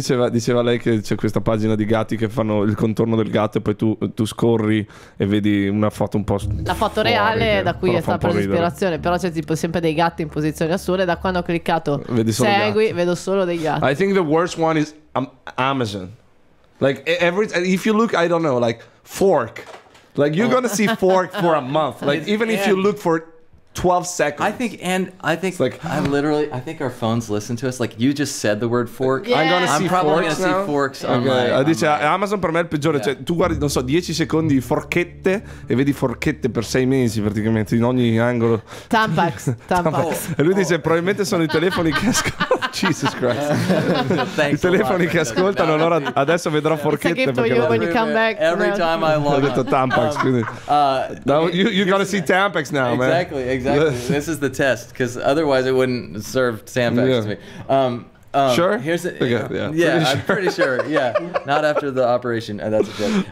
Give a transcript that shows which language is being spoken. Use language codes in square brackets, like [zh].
[it] Diceva lei che c'è questa pagina di gatti che fanno il contorno del gatto e poi tu scorri e vedi una foto un po' la foto fuori, reale da cui è stata presa ispirazione, però c'è tipo sempre dei gatti in posizione assurda. Da quando ho cliccato vedo solo dei gatti. [en] I think the worst one is Amazon. Like, every, if you look, I don't know, like, fork. Like, you're going to see fork for a month. Like, even if you look for 12 seconds. I think, like, I think our phones listen to us. Like, you just said the word fork. Yeah. I'm probably going to see forks [it] okay. Amazon per me è il peggiore. Yeah. Cioè, tu guardi, non so, 10 secondi forchette e vedi forchette per 6 mesi, praticamente, in ogni angolo. Tampax. E lui dice, probabilmente sono i telefoni che escono. [en] Jesus Christ. Thanks. [it] I telefoni che ascoltano, allora adesso vedrò forchette. [en] It's a gift for you when you come back. Every time I log on. [it] Ho detto [en] Tampax. You're going to see Tampax now, exactly, man. Exactly. This is the test, because otherwise it wouldn't serve Tampax to me. Sure? Here's the, okay, yeah pretty I'm pretty sure. Yeah. Not after the operation. That's a joke.